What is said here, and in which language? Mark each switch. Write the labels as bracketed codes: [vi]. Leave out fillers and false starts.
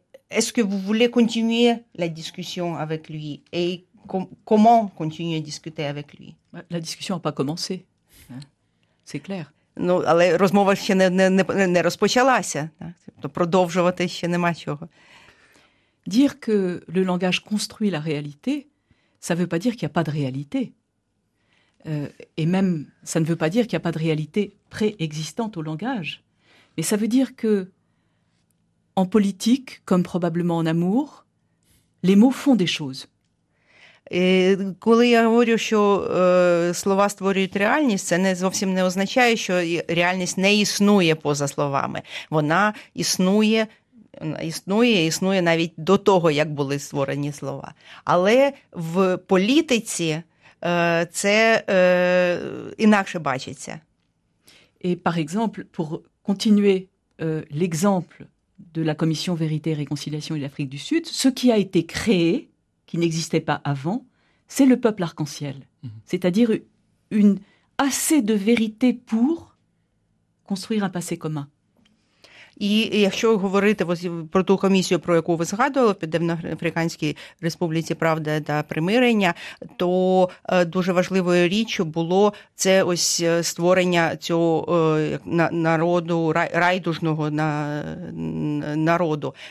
[fr] Est-ce que vous voulez continuer la discussion avec lui et comment continuer à discuter avec lui? La discussion n'a pas commencé, c'est clair. [uk] Ну, але розмова ще не розпочалася, так? Тобто продовжувати ще нема чого. [fr] Dire que le langage construit la réalité, ça veut pas dire qu'il y a pas de réalité. Et même ça ne veut pas dire qu'il y a pas de réalité préexistante au langage. Mais ça veut dire que en politique, comme probablement en amour, les mots font des choses. [uk] І коли я говорю, що слова створюють реальність, це не зовсім не означає, що реальність не існує поза словами. Вона існує навіть до того, як були створені слова. Але в політиці це інакше бачиться. [fr] Et par exemple, pour continuer l'exemple de la Commission Vérité et Réconciliation de l'Afrique du Sud, ce qui a été créé qui n'existait pas avant, c'est le peuple arc-en-ciel. C'est-à-dire une assez de vérité pour construire un passé commun. [uk] І якщо говорити про ту комісію, про яку ви згадували, в Південно-Африканській Республіці «Правда та примирення», то дуже важливою річчю було це ось створення цього народу, райдужного народу.